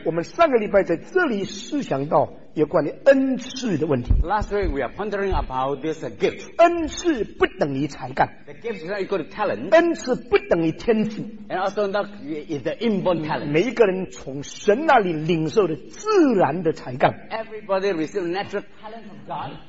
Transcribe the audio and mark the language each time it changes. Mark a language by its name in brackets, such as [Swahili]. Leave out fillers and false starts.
[Chinese] 我们上个礼拜在这里思想到有关于恩赐的问题。 [English] Last week we are pondering about this gift. [Chinese] 恩赐不等于才干。 [English] The gift is not equal to talent. [Chinese] 恩赐不等于天赋。 [English] And also not is the inborn talent. [Chinese] 每一个人从神那里领受的自然的才干。 [English] Everybody receives natural talent from God.